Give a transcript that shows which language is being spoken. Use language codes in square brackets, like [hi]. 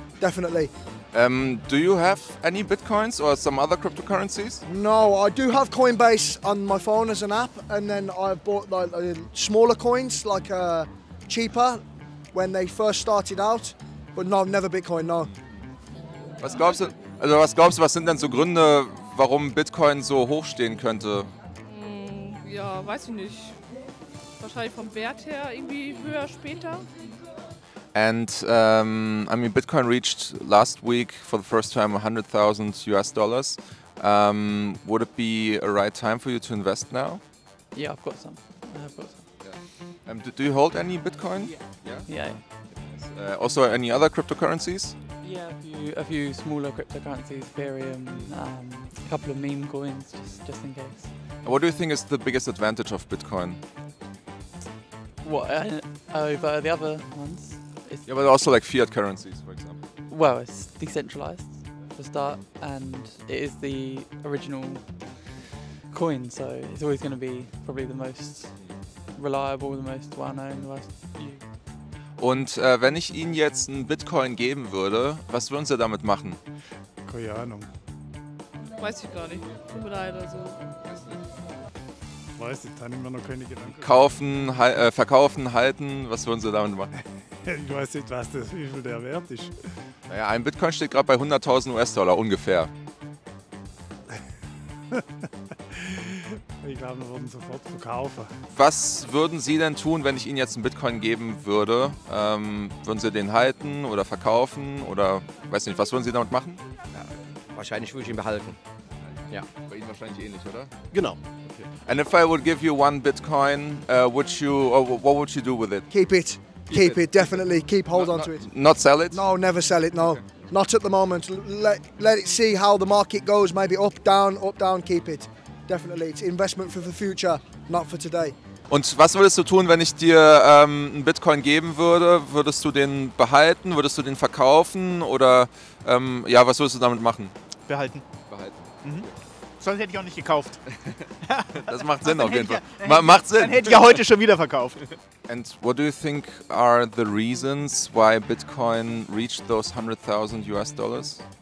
[en] Definitely. Do you have any Bitcoins or some other cryptocurrencies? No, I do have Coinbase on my phone as an app, and then I've bought like smaller coins, like cheaper, when they first started out. But no, never Bitcoin, no. [de] Was glaubst du, was sind denn so Gründe, warum Bitcoin so hoch stehen könnte? Ja, weiß ich nicht. Wahrscheinlich vom Wert her irgendwie höher später. [en] And I mean, Bitcoin reached last week for the first time $100,000. Would it be a right time for you to invest now? Yeah, I've got some. Yeah. Do you hold any Bitcoin? Yeah. Also, any other cryptocurrencies? Yeah, a few smaller cryptocurrencies, Ethereum, a couple of meme coins, just in case. And what do you think is the biggest advantage of Bitcoin? What, over the other ones? Yeah, but also like fiat currencies, for example. Well, it's decentralized, for start, and it is the original coin, so it's always going to be probably the most reliable, the most well-known, the most used. [de] Und wenn ich Ihnen jetzt einen Bitcoin geben würde, was würden Sie damit machen? Keine Ahnung. Weiß ich gar nicht. Tut mir leid, also. Weiß ich, da nehmen wir noch keine Gedanken. Kaufen, verkaufen, halten, was würden Sie damit machen? Ich weiß nicht, was das, wie viel der wert ist. Naja, ein Bitcoin steht gerade bei 100.000 US-Dollar ungefähr. Ich glaube, wir würden sofort verkaufen. Was würden Sie denn tun, wenn ich Ihnen jetzt einen Bitcoin geben würde? Würden Sie den halten oder verkaufen? Oder weiß nicht, was würden Sie damit machen? Ja, wahrscheinlich würde ich ihn behalten. Ja, bei Ihnen wahrscheinlich ähnlich, oder? Genau. Okay. [en] And if I would give you one Bitcoin, what would you do with it? Keep it, definitely. Hold on to it. Not sell it? No, never sell it, no. Okay. Not at the moment. Let it see how the market goes, maybe up, down, keep it. Definitely, it's investment for the future, not for today. [de] Und was würdest du tun, wenn ich dir einen Bitcoin geben würde? Würdest du den behalten? Würdest du den verkaufen? Oder ja, was würdest du damit machen? Behalten. Behalten. Mhm. Sonst hätte ich auch nicht gekauft. Das macht Sinn auf jeden Fall. Macht Sinn. Dann hätte ich ja heute schon wieder verkauft. [en] And what do you think are the reasons why Bitcoin reached those 100,000 US dollars?